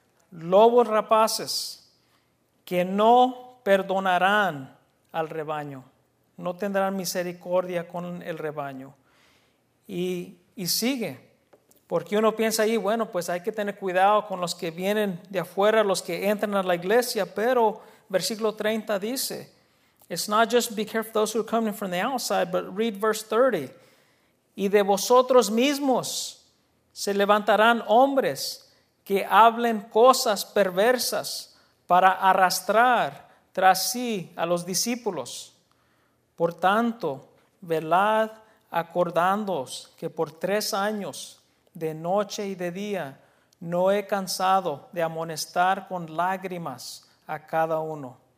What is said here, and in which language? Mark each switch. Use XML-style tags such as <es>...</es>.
<es>Lobos rapaces que no perdonarán al rebaño. No tendrán misericordia con el rebaño. Y sigue. Porque uno piensa ahí, bueno, pues hay que tener cuidado con los que vienen de afuera, los que entran a la iglesia. Pero versículo 30 dice,</es> <en>it's not just be careful those who are coming from the outside, but read verse 30.</en> <es>Y de vosotros mismos se levantarán hombres que hablen cosas perversas para arrastrar tras sí a los discípulos. Por tanto, velad acordándoos que por 3 años, de noche y de día, no he cansado de amonestar con lágrimas a cada uno.</es>